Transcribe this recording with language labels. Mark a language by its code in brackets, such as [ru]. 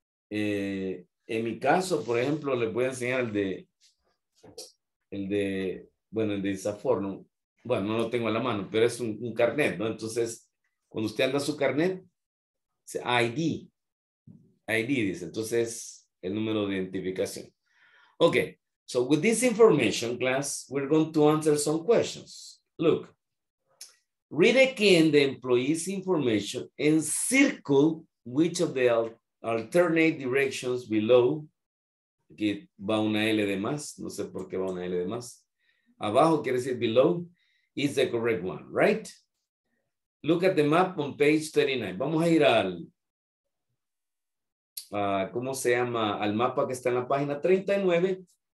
[es] En mi caso, por ejemplo, les voy a enseñar el de INSAFORP, ¿no? Bueno, no lo tengo a la mano, pero es un carnet, ¿no? Entonces, cuando usted anda su carnet, dice ID. ID, dice. Entonces, el número de identificación. [en] Okay, so with this information, class, we're going to answer some questions. Look, read again the employee's information and circle which of the alternate directions below. [es] Aquí va una L de más. No sé por qué va una L de más. Abajo quiere decir [en] below. Is the correct one, right? Look at the map on page 39. [es] Vamos a ir al... ¿cómo se llama? Al mapa que está en la página 39.